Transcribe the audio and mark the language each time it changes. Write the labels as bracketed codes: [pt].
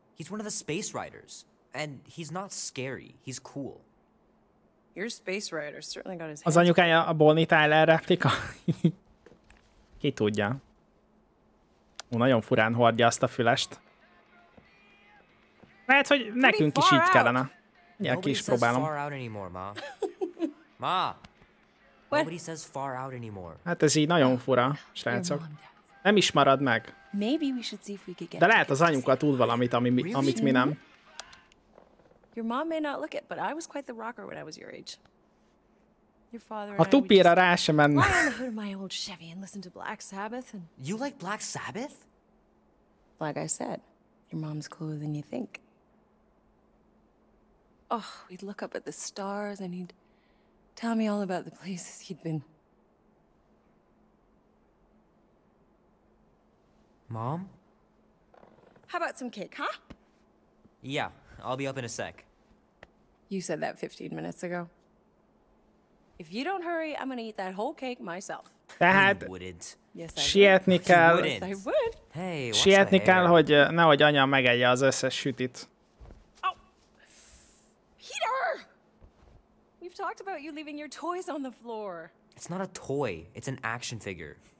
[en] He's one of the space riders, and he's not scary, he's cool. Your space rider certainly got his [hu] hands. Az anyukája a Bonnie Tyler replika? Ki tudja. Ó, nagyon furán hordja azt a fülest. Lehet, hogy nekünk is így kellene. Ilyen ki is próbálom. [en] Nobody says far out anymore, ma. Ma! Nobody says far out anymore. [hu] Hát ez így nagyon fura, srácok. Nem is marad meg. [en] Maybe we should see if we could get. [hu] De lehet az anyuka tud valamit, amit mi nem. [en] Your mom may not look it, but I was quite the rocker when I was your age. Your father. [hu] A tupira rá sem menne. [en] Why don't you hood my old Chevy and listen to Black Sabbath? And you like Black Sabbath? Like I said, your mom's cooler than you think. Oh, we'd look up at the stars and he'd tell me all about the places he'd been. Mom? How about some cake, huh? Yeah, I'll be up in a sec. You said that 15 minutes ago. If you don't hurry, I'm gonna eat that whole cake myself. [hu] Tehát sietni kell. [en] I would. Hey, [hu] sietni kell, hogy nehogy anya megegye az összes sütit. [en] Oh. Peter! We've talked about you leaving your toys on the floor. It's not a toy, it's an action figure.